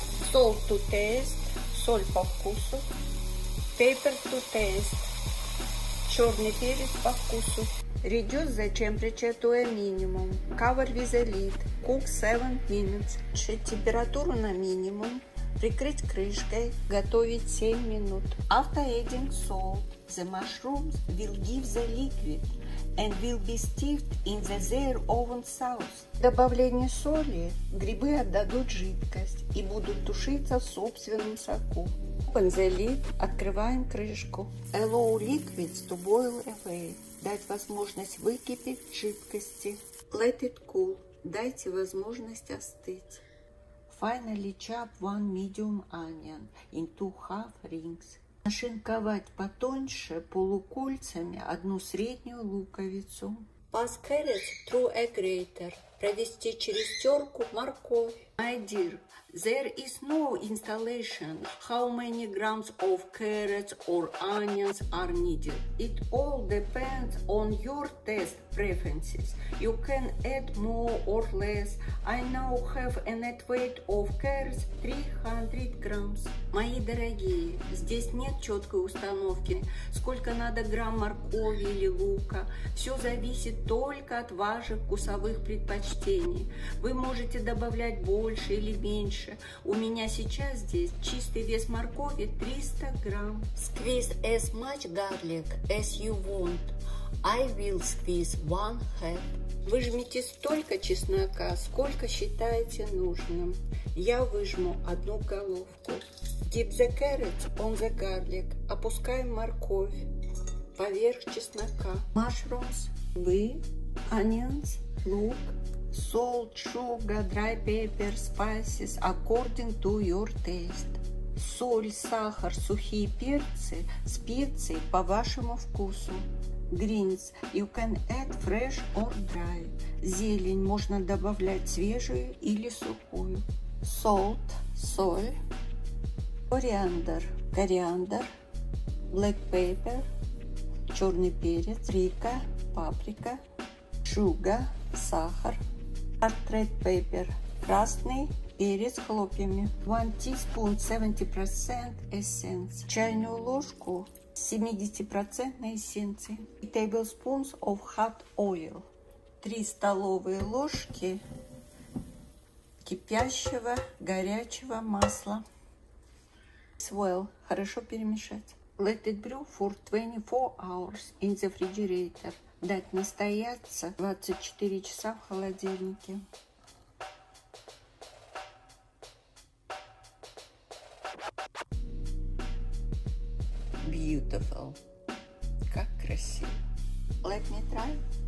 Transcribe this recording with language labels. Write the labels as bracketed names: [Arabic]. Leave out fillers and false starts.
[English] Salt to taste. [Russian] Соль по вкусу. [English] Pepper to taste. [Russian] Черный перец по вкусу. [English] Reduce the temperature to a minimum. Cover with a lid. Cook 7 minutes. [Russian] Чуть температуру на минимум. Прикрыть крышкой. Готовить 7 минут. [English] After adding salt, the mushrooms will give the liquid and will be steeped in the their own sauce. [Russian] Добавление соли грибы отдадут жидкость и будут тушиться в собственном соку. [English] Open the lid, [Russian] открываем крышку. [English] Allow liquids to boil away. [Russian] Дать возможность выкипеть жидкости. [English] Let it cool. [Russian] Дайте возможность остыть. [English] Finally chop one medium onion in two half rings. [Russian] Нашинковать потоньше полукольцами одну среднюю луковицу. [English] Pass carrots through a grater. [Russian] Провести через терку морковь. [English] My dear, there is no installation how many grams of carrots or onions are needed. It all depends on your taste preferences. You can add more or less. I now have a net weight of carrots 300 grams. [Russian] Мои дорогие, здесь нет четкой установки, сколько надо грамм моркови или лука. Все зависит только от ваших вкусовых предпочтений. Вы можете добавлять больше или меньше. У меня сейчас здесь чистый вес моркови 300 грамм. [English] Squeeze as much garlic as you want. I will squeeze one head. [Russian] Выжмите столько чеснока, сколько считаете нужным. Я выжму одну головку. [English] Dip the carrots on the garlic. [Russian] Опускаем морковь поверх чеснока. [English] Mushrooms, бы, onions, лук. Salt, sugar, dry pepper, spices according to your taste. [Russian] Соль, сахар, сухие перцы, специи по вашему вкусу. [English] Greens, you can add fresh or dry. [Russian] Зелень можно добавлять свежую или сухую. [English] Salt, соль. Coriander, кориандр. [Russian] Black pepper, черный перец. Рика, паприка. Sugar, сахар. Red pepper, красный перец хлопьями. [English] 1 teaspoon 70% essence. [Russian] Чайную ложку 70% эссенции. [English] И tablespoons of hot oil. [Russian] 3 столовые ложки кипящего горячего масла. Swell. Хорошо перемешать. [English] Let it brew for 24 hours in the refrigerator. [Russian] Дать настояться 24 часа в холодильнике. Beautiful. Как красиво. [English] Let me try.